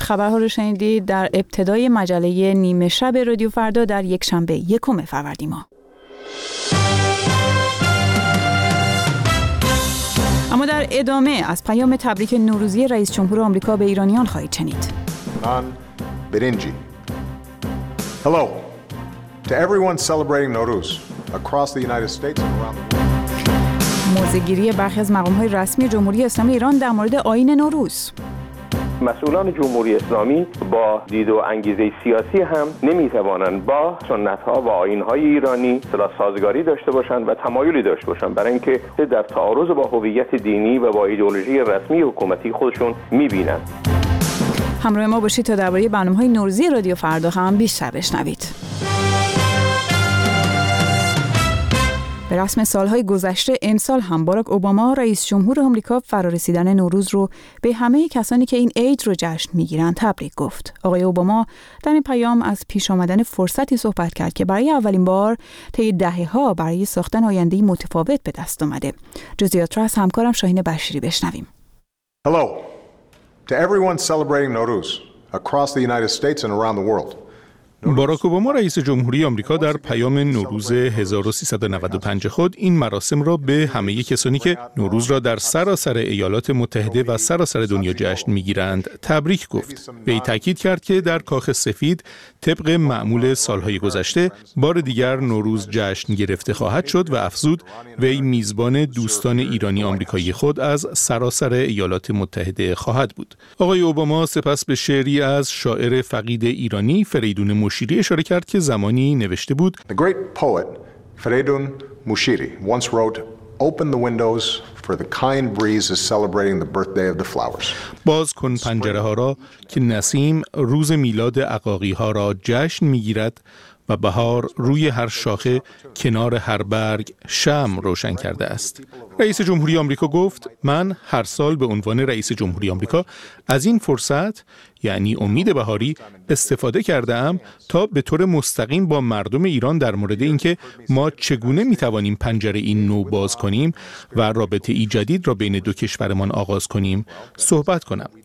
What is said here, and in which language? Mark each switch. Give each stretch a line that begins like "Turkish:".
Persian: خبرها رو شنیدید در ابتدای مجله نیمه شب رادیو فردا در یک شنبه 1 فروردین. اما در ادامه از پیام تبریک نوروزی رئیس جمهور آمریکا به ایرانیان خواهید شنید. نان برنجی.
English: Hello to everyone celebrating Nowruz across the United States and around the world.
Persian: موضع‌گیری برخی از مقام‌های رسمی جمهوری اسلامی ایران در مورد آیین نوروز. مسئولان جمهوری اسلامی با دید و انگیزه سیاسی هم نمیتوانند با سنت‌ها و آیین‌های ایرانی صلح سازگاری داشته باشند و تمایلی داشته باشند، برای اینکه در تعارض با هویت دینی و با ایدئولوژی رسمی حکومتی خودشون می‌بینند. همراه ما باشید تا درباره برنامه‌های نوروزی رادیو فردا هم بیشتر بشنوید. به رسم سالهای گذشته امسال هم باراک اوباما رئیس جمهور آمریکا فرارسیدن نوروز رو به همه کسانی که این عید رو جشن میگیرن تبریک گفت. آقای اوباما در این پیام از پیش آمدن فرصتی صحبت کرد که برای اولین بار طی دهه‌ها برای ساختن آینده‌ای متفاوت به دست اومده. جزئیات را از همکارم شاهین بشری بشنویم.
English: Hello to everyone celebrating Nowruz across the United States and around the world.
Persian: باراک اوباما رئیس جمهوری آمریکا در پیام نوروز 1395 خود این مراسم را به همه کسانی که نوروز را در سراسر ایالات متحده و سراسر دنیا جشن می‌گیرند تبریک گفت. وی تاکید کرد که در کاخ سفید طبق معمول سال‌های گذشته بار دیگر نوروز جشن گرفته خواهد شد و افزود وی میزبان دوستان ایرانی آمریکایی خود از سراسر ایالات متحده خواهد بود. آقای اوباما سپس به شعری از شاعر فقید ایرانی فریدون مشیری اشاره کرد که زمانی نوشته بود
English: The great poet Fereydoun Mushiri once wrote Open the windows for the kind breeze is celebrating the birthday of the flowers.
Persian: باز کن پنجره ها را که نسیم روز میلاد عقاقی ها را جشن میگیرد و بهار روی هر شاخه کنار هر برگ شمع روشن کرده است. رئیس جمهوری آمریکا گفت من هر سال به عنوان رئیس جمهوری آمریکا از این فرصت یعنی امید بهاری استفاده کردم تا به طور مستقیم با مردم ایران در مورد اینکه ما چگونه می توانیم پنجره این نو باز کنیم و رابطه ای جدید را بین دو کشورمان آغاز کنیم صحبت کنم.